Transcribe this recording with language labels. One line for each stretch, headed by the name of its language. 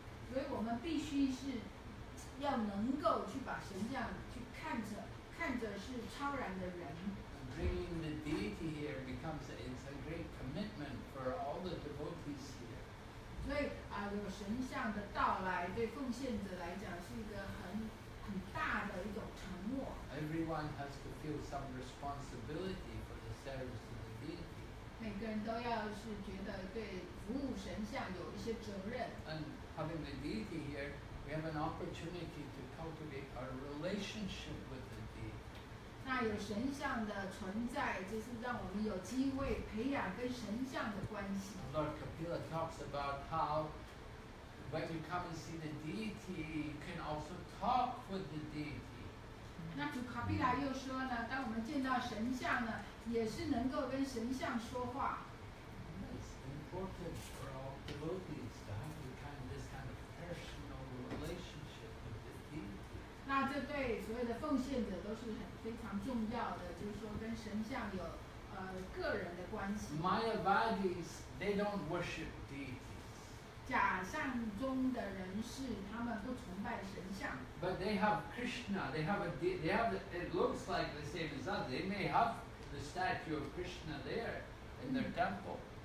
Chinese: 所以我们必须是要能够去把神像去看着是超然的人。
English: Bringing the deity here becomes a great commitment for all the devotees here.
Chinese: 所以啊，有神像的到来对奉献者来讲是一个很大的一种承诺。
English: Everyone has to feel some responsibility for the service of the deity.
Chinese: 每个人都要是觉得对服务神像有一些责任。
English: And having the deity here, we have an opportunity to cultivate our relationship with the deity.
Chinese: 那有神像的存在，就是让我们有机会培养跟神像的关系。
English: Lord Kapila talks about how when you come and see the deity, you can also talk with the deity.
Chinese: 那主卡比拉又说呢，当我们见到神像呢，也是能够跟神像说话。
English: It's important for all devotees to have this kind of personal relationship with the deity.
Chinese: 那这对所有的奉献者都是非常重要的，就是说跟神像有个人的关系。
English: Mayavadis, they don't worship deity.
Chinese: 假象中的人士，他们不崇拜神像。
English: But they have Krishna. They have a. They have. It looks like the same as us. They may have the statue of Krishna there in their temple.